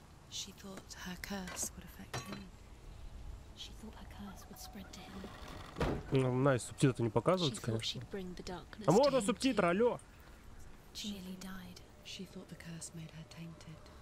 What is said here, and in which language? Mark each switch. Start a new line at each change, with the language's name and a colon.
English: She thought her curse would affect him. She thought her curse would spread to him.
Russian: Ну, nice, субтитры не показываются, конечно. А можно субтитры, алло?
English: She nearly died. She thought the curse made her tainted.